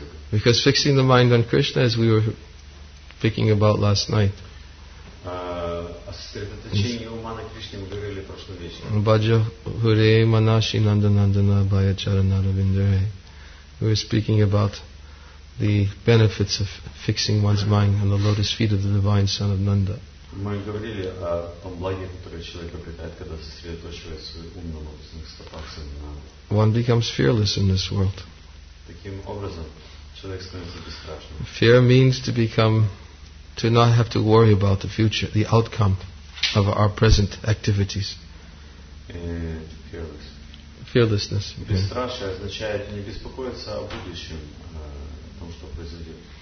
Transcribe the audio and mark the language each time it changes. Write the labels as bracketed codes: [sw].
[en] Because fixing the mind on Krishna, as we were speaking about last night, [bn] Bhaja Hure Manashi Nanda Nandana Bhaya Charanara Vindare, [en] we were speaking about the benefits of fixing one's mind on the lotus feet of the divine son of Nanda. [ru] Мы говорили о том благе, которое человек обретает, когда сосредоточивает свой ум на лотосных стопах Сананды. [en] One becomes fearless in this world. [ru] Таким образом, человек становится бесстрашным. [en] Fear means to become, to not have to worry about the future, the outcome of our present activities. Fearless. Fearlessness. [ru] Бесстрашие означает не беспокоиться о будущем, о том, что произойдет.